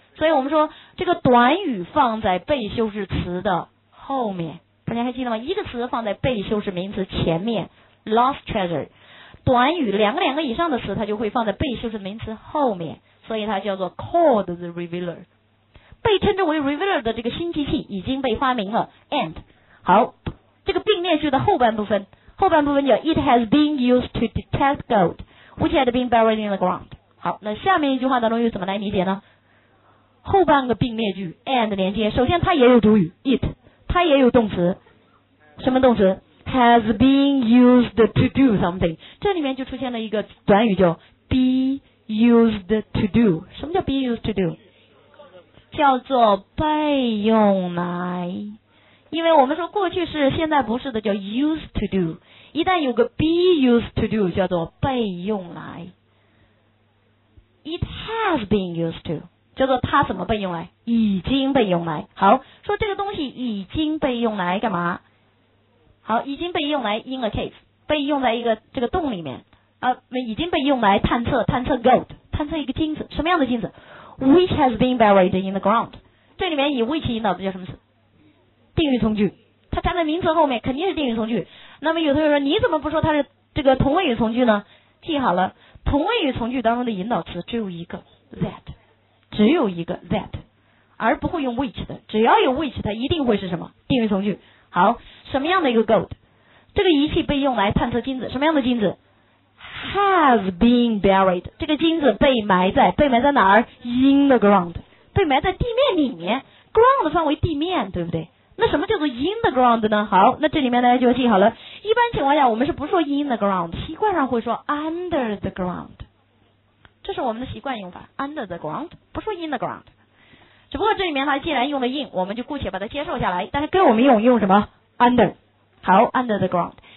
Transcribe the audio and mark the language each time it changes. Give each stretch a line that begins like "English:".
Chinese: 所以我们说这个短语放在被修饰词的后面，大家还记得吗？一个词放在被修饰名词前面 lost treasure， 短语两个两个以上的词它就会放在被修饰名词后面，所以它叫做
English: called the revealer，
Chinese: 被称之为 revealer 的这个新机器已经被发明了。
English: and 好，
Chinese: 这个并列句的后半部分，后半部分叫
English: It has been used to detect gold which had been buried in the ground。
Chinese: 好，那下面一句话当中又怎么来理解呢？后半个并列句 and 连接，首先它也有主语 it， 它也有动词，什么动词？
English: has been used to do something，
Chinese: 这里面就出现了一个短语叫
English: be used to do。
Chinese: 什么叫 be used to do？叫做被用来，因为我们说过去是现在不是的叫 used to do， 一旦有个 be used to do 叫做被用来。
English: It has been used to
Chinese: 叫做它怎么被用来，已经被用来。好，说这个东西已经被用来干嘛？好，已经被用来
English: in a case，
Chinese: 被用在一个这个洞里面已经被用来探测，探测 gold， 探测一个金子，什么样的金子？
English: which has been buried in the ground，
Chinese: 这里面以 which 引导的叫什么词？定语从句，它站在名词后面肯定是定语从句。那么有同学说，你怎么不说它是这个同位语从句呢？记好了，同位语从句当中的引导词只有一个 that， 只有一个 that， 而不会用 which 的，只要有 which 它一定会是什么？定语从句。好，什么样的一个 gold？ 这个仪器被用来探测金子，什么样的金子？
English: have been buried.
Chinese: 这个金子被埋在，被埋在哪儿？
English: In the ground.
Chinese: 被埋在地面里面。 Ground 范围地面，对不对？那什么叫做 in the ground 呢？好，那这里面大家就记好了。一般情况下我们是不说
English: in the ground，
Chinese: 习惯上会说
English: under the ground。
Chinese: 这是我们的习惯用法， under the ground， 不说 in the ground。只不过这里面它既然用了 in， 我们就姑且把它接受下来，但是跟我们用什么？ Under。 好， under the ground。